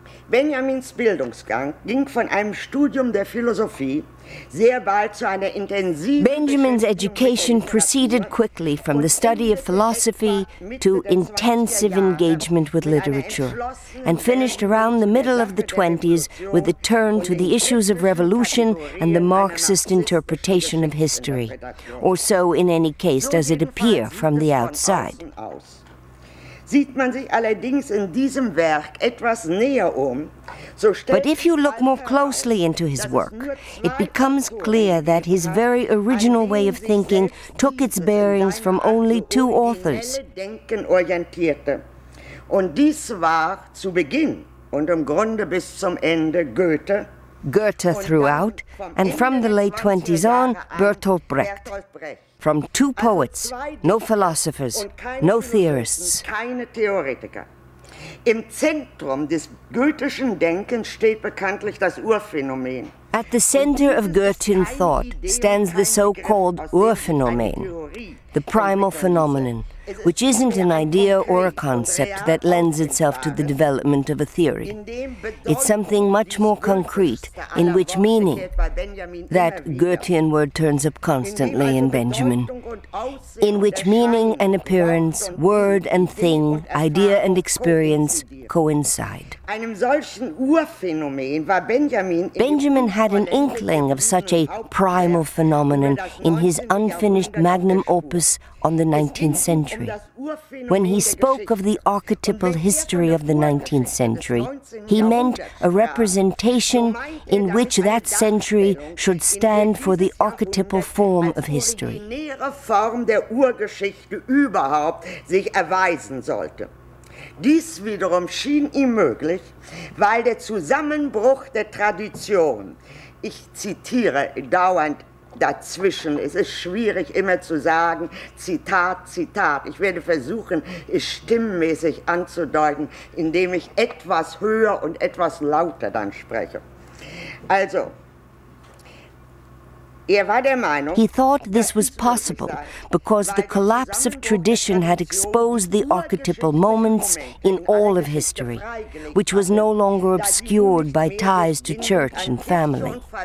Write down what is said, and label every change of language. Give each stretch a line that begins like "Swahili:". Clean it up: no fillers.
German: Benjamins Bildungsgang ging von einem Studium der Philosophie sehr bald zu einer intensiven
English: Benjamin's education proceeded quickly from the study of philosophy to intensive engagement with literature and finished around the middle of the 20s with a turn to the issues of revolution and the Marxist interpretation of history. Or so, in any case, does it appear from the outside.
German: Sieht man sich allerdings in diesem Werk etwas näher um, so stellt
English: But if you look more closely into his work, it becomes clear that his very original way of thinking took its bearings from only two authors.
German: Denken orientierte. Und dies war zu Beginn und im Grunde bis zum Ende Goethe.
English: Goethe throughout, and from the late 20s on, Bertolt Brecht. From two poets, no philosophers, no theorists.
German: Keine Theoretiker. Im Zentrum des goethischen Denkens steht bekanntlich das Urphänomen.
English: At the center of Goethean thought stands the so-called Urphänomen, the primal phenomenon, which isn't an idea or a concept that lends itself to the development of a theory. It's something much more concrete, in which meaning, that Goethean word turns up constantly in Benjamin, in which meaning and appearance, word and thing, idea and experience coincide. Benjamin had an inkling of such a primal phenomenon in his unfinished magnum opus on the 19th century. When he spoke of the archetypal history of the 19th century, he meant a representation in which that century should stand for the archetypal form of history.
German: Dies wiederum schien ihm möglich, weil der Zusammenbruch der Tradition, ich zitiere dauernd dazwischen, es ist schwierig immer zu sagen, Zitat, Zitat, ich werde versuchen, es stimmmäßig anzudeuten, indem ich etwas höher und etwas lauter dann spreche. Also,
English: he thought this was possible because the collapse of tradition had exposed the archetypal moments in all of history, which was no longer obscured by ties to church and family.